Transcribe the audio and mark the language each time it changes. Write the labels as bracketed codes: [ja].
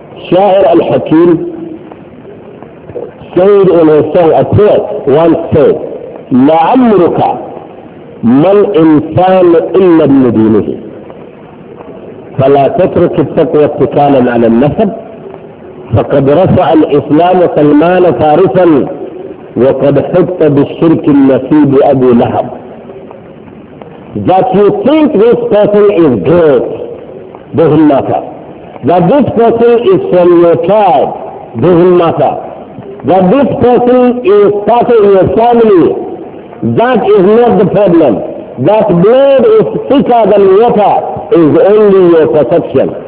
[en] Shair al-Hakim, said in a song, a poet once said, [ar] "La amruka mal insan illa bin dinihi. فلا تترك التقوى اتكالا على النسب فقد رفع الاسلام سلمان فارسا وقد حط بالشرك النسيب ابو لهب." [en] That you think this person is great doesn't matter. That this person is from your tribe doesn't matter. That this person is part of your family, that is not the problem. That blood is thicker than water is only your perception.